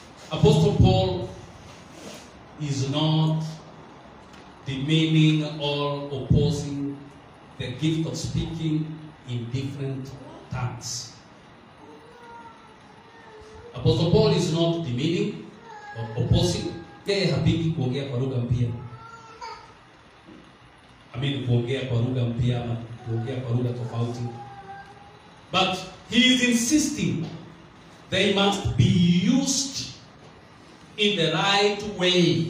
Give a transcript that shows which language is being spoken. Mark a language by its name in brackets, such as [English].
[English] Apostle Paul is not demeaning or opposing the gift of speaking in different tongues. Apostle Paul is not demeaning or opposing. [Swahili] Yeye hapingi kuongea kwa lugha mpya. [English] I mean, [Swahili] kuongea kwa lugha mpya ama kuongea kwa lugha tofauti. [English] But he is insisting they must be used in the right way.